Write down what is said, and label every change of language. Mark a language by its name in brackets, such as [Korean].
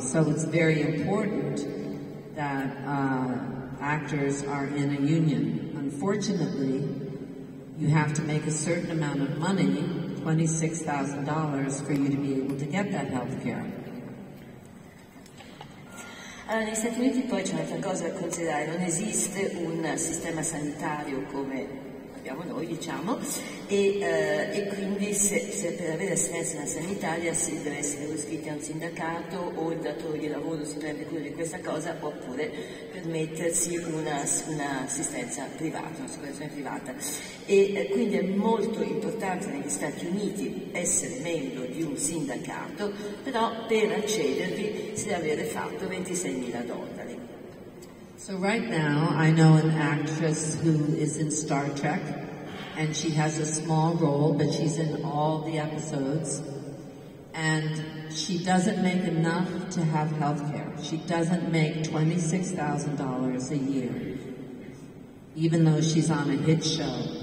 [English] So it's very important that actors are in a union. Unfortunately, you have to make a certain amount of money, $26,000, for you to be able to get that healthcare. [Italian] Allora, negli Stati Uniti poi c'è un'altra cosa da considerare, non esiste un sistema sanitario come abbiamo noi, diciamo, e quindi se per avere assistenza sanitaria si deve essere iscritti a un sindacato o il datore di lavoro si prende cura di questa cosa oppure permettersi un'assistenza privata, un'assicurazione privata. E quindi è molto importante negli Stati Uniti essere membro di un sindacato, però per accedervi si deve avere fatto $26,000. [English] So right now I know an actress who is in Star Trek and she has a small role, but she's in all the episodes and she doesn't make enough to have health care. She doesn't make $26,000 a year, even though she's on a hit show.